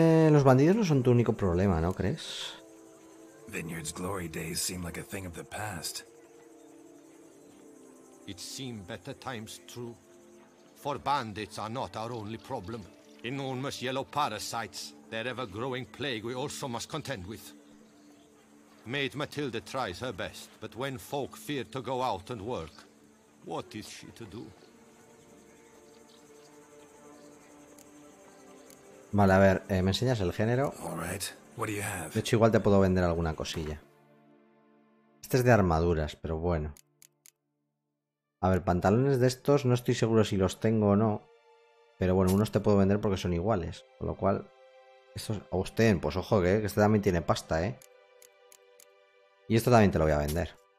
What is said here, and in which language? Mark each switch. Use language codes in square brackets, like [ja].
[es] Los bandidos no son tu único problema, ¿no crees? [en] Vineyard's glory days seem like a thing of the past. It seemed better times true. for bandits are not our only problem. Enormous yellow parasites, their ever-growing plague we also must contend with. Maid Matilda tries her best, but when folk fear to go out and work, what is she to do? [es] Vale, a ver, me enseñas el género. De hecho, igual te puedo vender alguna cosilla. Este es de armaduras, pero bueno. A ver, pantalones de estos, no estoy seguro si los tengo o no. Pero bueno, unos te puedo vender porque son iguales. Con lo cual, estos, a usted, pues ojo, que este también tiene pasta, ¿eh? Y esto también te lo voy a vender.